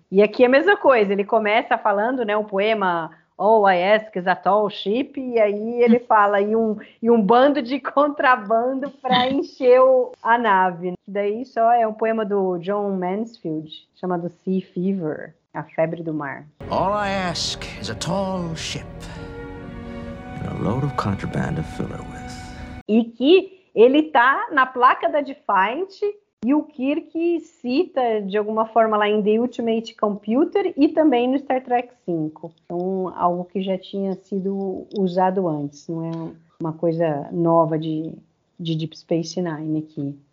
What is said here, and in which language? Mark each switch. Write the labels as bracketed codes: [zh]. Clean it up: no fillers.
[pt] E aqui é a mesma coisa, ele começa falando, né, o poema Oh, I Ask Is a Tall Ship, e aí ele fala e um bando de contrabando para encher a nave. Daí só é um poema do John Mansfield, chamado Sea Fever. A Febre do Mar. [en] All I ask is a tall ship and a load of contraband to fill her with. [pt] E que ele tá na placa da Defiant e o Kirk cita de alguma forma lá em The Ultimate Computer e também no Star Trek V. Então, algo que já tinha sido usado antes, não é uma coisa nova de Deep Space Nine aqui.